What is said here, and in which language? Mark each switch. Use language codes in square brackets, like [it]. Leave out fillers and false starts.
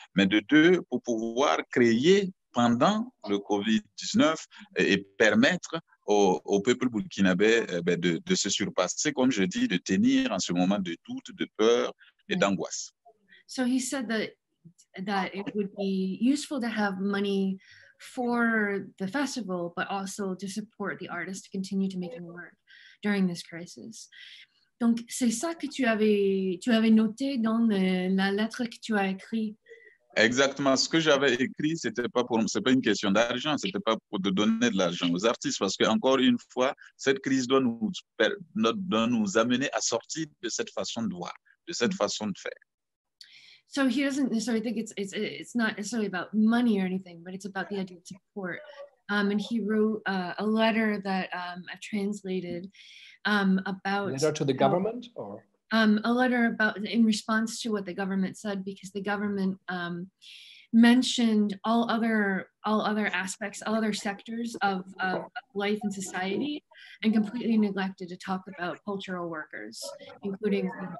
[fr] Mais de deux, pour pouvoir créer pendant le COVID-19 et permettre au peuple burkinabé de se surpasser, comme je dis, de tenir en ce moment de doute, de peur et d'angoisse. [en] So he said that it would be useful to have money for the festival, but also to support the artists to continue to make their work during this crisis. [fr] Donc, c'est ça que tu avais noté dans la lettre que tu as écrite. Exactement. Ce que j'avais écrit, c'était pas une question d'argent, c'était pas pour donner de l'argent aux artistes, parce que encore une fois, cette crise doit nous amener à sortir de cette façon de voir, de cette façon de faire. [en] So he doesn't necessarily think it's not necessarily about money or anything, but it's about the idea of support. And he wrote a letter that I've translated about letter to the government or. A letter about in response to what the government said, because the government mentioned all other aspects, all other sectors of life and society, and completely neglected to talk about cultural workers, including.